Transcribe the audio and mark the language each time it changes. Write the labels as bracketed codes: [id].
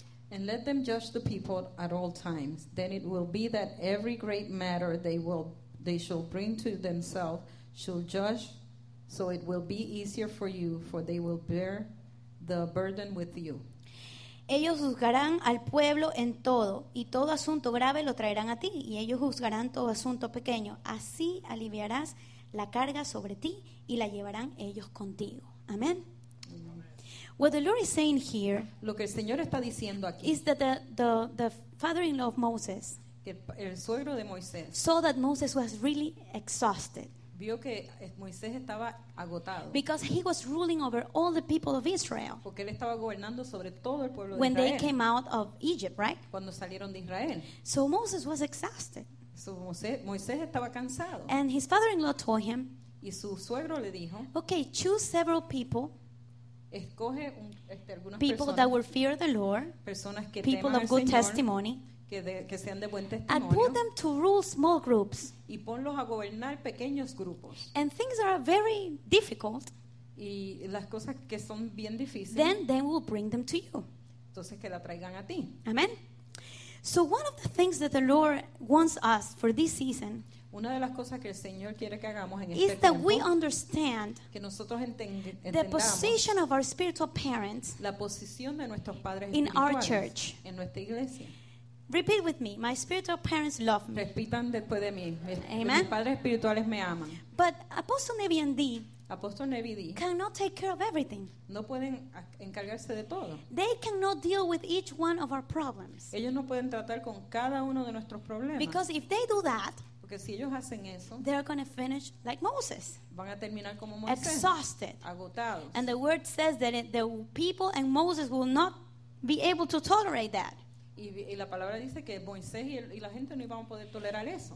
[en] And let them judge the people at all times. Then it will be that every great matter they shall bring to themselves shall judge, so it will be easier for you, for they will bear the burden with you. [es] Ellos juzgarán al pueblo en todo, y todo asunto grave lo traerán a ti, y ellos juzgarán todo asunto pequeño. Así aliviarás la carga sobre ti, y la llevarán ellos contigo. [en] Amén. What the Lord is saying here, [es] lo que el Señor está diciendo aquí, [en] is that the father-in-law of Moses, [es] el suegro de Moisés, [en] saw that Moses was really exhausted. [es] Vio que Moisés estaba agotado. [en] Because he was ruling over all the people of Israel. [es] Porque él estaba gobernando sobre todo el pueblo de Israel. [en] they came out of Egypt, right? [es] Cuando salieron de Israel. [en] So Moses was exhausted. [es] So Moisés estaba cansado. [en] And his father-in-law told him, [es] y su suegro le dijo, [en] okay, choose several people. [es] Escoge algunas [en] people [es] personas, [en] that will fear the Lord. [es] Personas que [en] people [es] teman [en] of good [es] Señor, [en] testimony. [es] Que sean de buen testimonio, [en] and put them to rule small groups. [es] Y ponlos a gobernar pequeños grupos. [en] And things are very difficult. [es] Y las cosas que son bien difíciles. [en] Then they will bring them to you. [es] Entonces que la traigan a ti. [en] Amen. So one of the things that the Lord wants us for this season. [es] Una de las cosas que el Señor quiere que hagamos en [en] is [es] este [en] that we understand [es] que nosotros entendamos [en] the position of our spiritual parents [es] la posición de nuestros padres [en] in our church. [es] En nuestra iglesia. [en] Repeat with me. My spiritual parents love me. [es] Repitan después de mí. Amen. Mis padres espirituales me aman. [en] But Apostle Nevi and Dee Apostle Nevi Dee cannot take care of everything. [es] No pueden encargarse de todo. [en] They cannot deal with each one of our problems. [es] Ellos no pueden tratar con cada uno de nuestros problemas. [en] Because if they do that, [es] porque si ellos hacen eso, [en] they are going to finish like Moses. [es] Van a terminar como Moisés. [en] Exhausted. [es] Agotados. [en] And the word says that the people and Moses will not be able to tolerate that. [es] Y la palabra dice que Moisés y la gente no iban a poder tolerar eso.